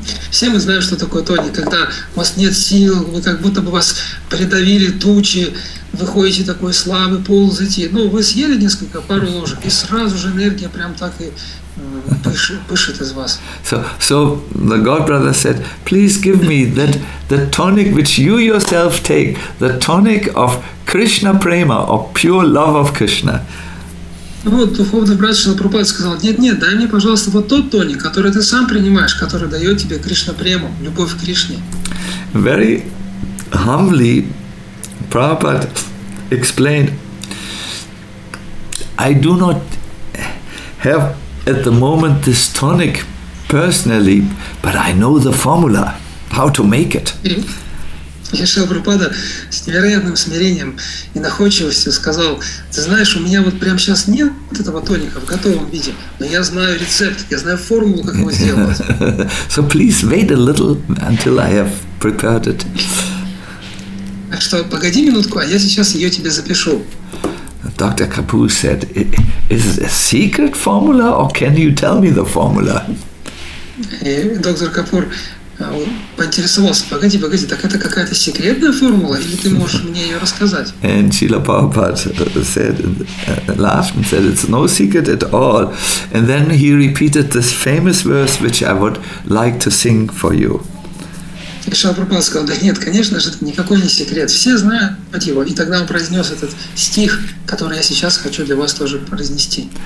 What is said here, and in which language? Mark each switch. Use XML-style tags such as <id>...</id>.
<ru>Все мы знаем, что такое тоник, когда у вас нет сил, вы как будто бы вас придавили тучи, вы ходите такой слабый, ползаете. Ну, вы съели несколько, пару ложек, и сразу же энергия прям так и пышет из вас.</ru> <en>So the God brother said, please give me the tonic which you yourself take, the tonic of Krishna Prema, or pure love of Krishna.</en> <ru>Вот духовный брат Шрила Прабхупада сказал, нет, дай мне, пожалуйста, вот тот тоник, который ты сам принимаешь, который дает тебе Кришна Прему, любовь к Кришне.</ru> <en>Very humbly Prabhupada explained, I do not have at the moment this tonic personally, but I know the formula, how to make it.</en> <ru>И Шрила Прабхупада с невероятным смирением и находчивостью сказал, ты знаешь, у меня вот прямо сейчас нет этого тоника в готовом виде, но я знаю рецепт, я знаю формулу, как его сделать.</ru> <en>So please wait a little until I have prepared it.</en> <ru>Так что погоди минутку, а я сейчас ее тебе запишу.</ru> <en>Dr. Kapoor said, is it a secret formula or can you tell me the formula?</en> <ru>И доктор Капур поинтересовался, погоди, так это какая-то секретная формула, или ты можешь мне ее рассказать?</ru> <en>And Srila Prabhupada said, laughed and said, it's no secret at all. And then he repeated this famous verse, which I would like to sing for you.</en> <ru>И Шрила Прабхупада сказал, да нет, конечно же, это никакой не секрет, все знают его. И тогда он произнес этот стих, который я сейчас хочу для вас тоже произнести.</ru>